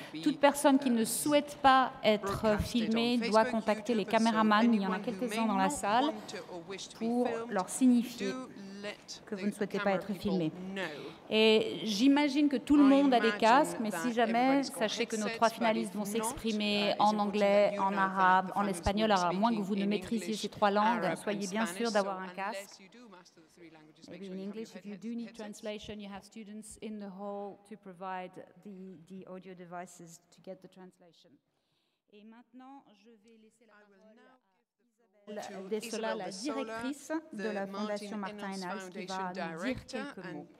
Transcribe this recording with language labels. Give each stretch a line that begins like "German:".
French: Toute personne qui ne souhaite pas être filmée doit contacter les caméramans, il y en a quelques-uns dans la salle, pour leur signifier que vous ne souhaitez pas être filmé. Et j'imagine que tout le monde a des casques, mais si jamais, sachez que nos trois finalistes vont s'exprimer en anglais, en arabe, en espagnol, à moins que vous ne maîtrisiez ces trois langues, soyez bien sûr d'avoir un casque.
English: Maybe in English, if you do need translation, you have students in the hall to provide the audio devices to get the translation.
French: Et maintenant, je vais laisser la parole à Desola, la directrice de la Fondation Martin Ennals, qui va nous dire quelques mots.